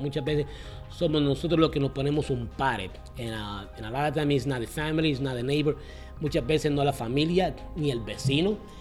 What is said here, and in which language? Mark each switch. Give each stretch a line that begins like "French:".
Spanish: Muchas veces somos nosotros los que nos ponemos un pare.
English: And a lot of time it's not the family, it's not the neighbor.
Spanish: Muchas veces no la familia, ni el vecino.